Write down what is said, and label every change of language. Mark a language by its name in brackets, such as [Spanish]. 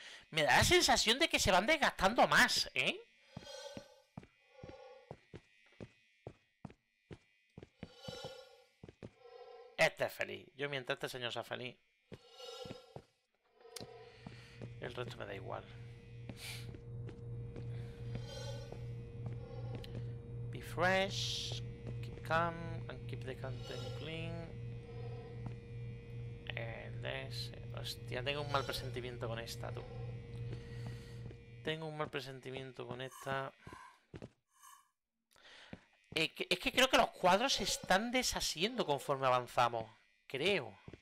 [Spanish] Me da la sensación de que se van desgastando más, ¿eh? Este es feliz. Yo mientras este señor sea feliz, el resto me da igual. [English] Fresh, keep calm and keep the content clean. And this. [Spanish] Hostia, tengo un mal presentimiento con esta, tú. Tengo un mal presentimiento con esta. Es que creo que los cuadros se están deshaciendo conforme avanzamos. Creo.